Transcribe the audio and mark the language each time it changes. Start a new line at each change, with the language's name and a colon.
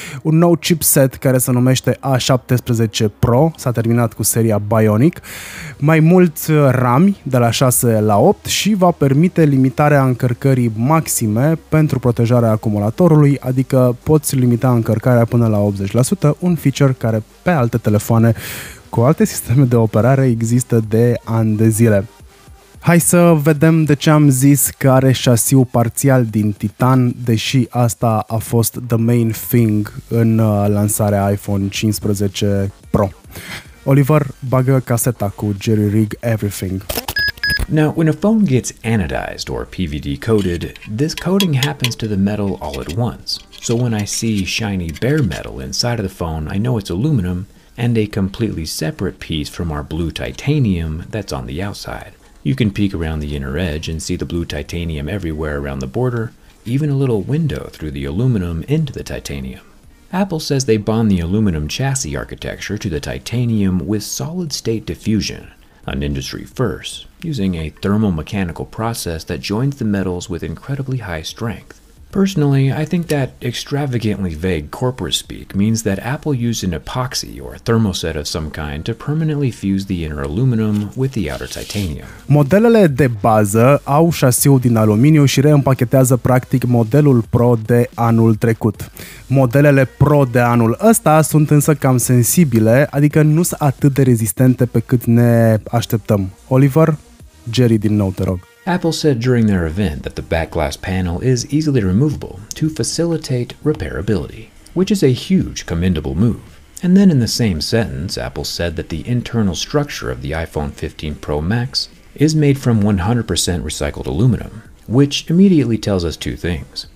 Romanian: Un nou chipset care se numește A17 Pro, s-a terminat cu seria Bionic, mai mult RAM de la 6 la 8 și va permite limitarea încărcării maxime pentru protejarea acumulatorului, adică poți limita încărcarea până la 80%, un feature care pe alte telefoane cu alte sisteme de operare există de ani de zile. Hai să vedem de ce am zis că are șasiu parțial din titan, deși asta a fost
English: the main thing
Romanian: în lansarea iPhone 15 Pro. Oliver, bagă caseta cu Jerry Rig Everything.
English: Now, when a phone gets anodized or PVD coated, this coating happens to the metal all at once. So when I see shiny bare metal inside of the phone, I know it's aluminum and a completely separate piece from our blue titanium that's on the outside. You can peek around the inner edge and see the blue titanium everywhere around the border, even a little window through the aluminum into the titanium. Apple says they bond the aluminum chassis architecture to the titanium with solid-state diffusion, an industry first, using a thermomechanical process that joins the metals with incredibly high strength. Personally, I think that extravagantly vague corporate speak means that Apple used an epoxy or thermoset of some kind to permanently fuse the inner aluminum with the outer titanium.
Romanian: Modelele de bază au șasiul din aluminiu și reîmpachetează practic modelul Pro de anul trecut. Modelele Pro de anul ăsta sunt însă cam sensibile, adică nu sunt atât de rezistente pe cât ne așteptăm. Oliver, Jerry din nou, te rog.
English: Apple said during their event that the back glass panel is easily removable to facilitate repairability, which is a huge commendable move. And then in the same sentence, Apple said that the internal structure of the iPhone 15 Pro Max is made from 100% recycled aluminum, which immediately tells us two things.